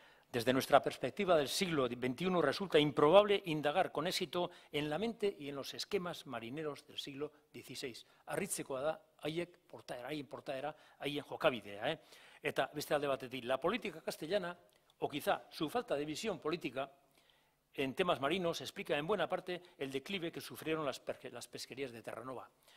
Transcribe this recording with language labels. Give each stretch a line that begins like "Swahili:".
Spanish: Desde nuestra perspectiva del siglo XXI resulta improbable indagar con éxito en la mente y en los esquemas marineros del siglo XVI.
Basque: Arritzekoa da, haien portaera, haien jokabidea. Eta beste alde batetik,
Spanish: la política castellana, o quizá su falta de visión política, en temas marinos, explica en buena parte el declive que sufrieron las pesquerías de Terranova.